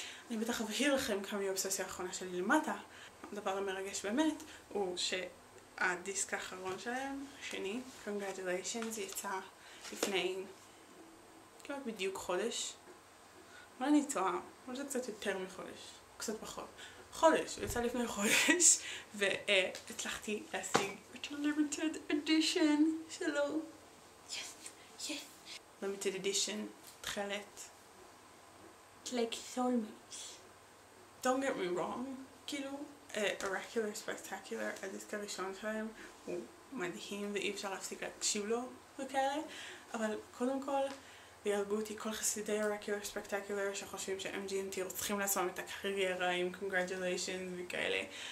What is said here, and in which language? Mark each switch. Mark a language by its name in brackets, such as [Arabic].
[Hebrew] אני בטח אבהיר לכם כמה היא האובססיה האחרונה שלי למטה. הדבר המרגש באמת הוא שהדיסק האחרון שלהם, השני, Congratulations, יצא לפני... כמעט בדיוק חודש. אבל אני טועה, אבל זה קצת יותר מחודש. קצת פחות. חודש, הוא יצא לפני חודש, והצלחתי להשיג את ה-Limited Edition שלו. [English] Yes. Limited Edition, [Hebrew] תכלת. [English] It's like soulmates. Don't get me wrong, [Hebrew] כאילו, Oracular Spectacular, הדיסק הראשון שלהם, הוא מדהים ואי אפשר להפסיק להקשיב לו וכאלה, אבל קודם כל, ויהרגו אותי כל חסידי הרקיור ספקטקולר שחושבים ש-MGMT רוצחים לעצמם את הקריירה עם קונגרג'וליישנס וכאלה.